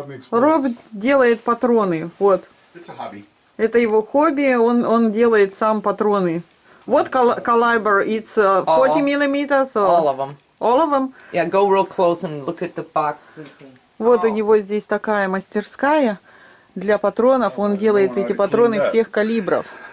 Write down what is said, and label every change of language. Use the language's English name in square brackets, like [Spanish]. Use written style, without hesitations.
[Russian] Роб делает патроны, вот. Это его хобби, он делает сам патроны. Вот калибр, [English] it's 40 millimeters. All of them. All of them? Yeah, go real close and look at the box. [Russian] Вот у него здесь такая мастерская для патронов, он делает эти патроны всех калибров.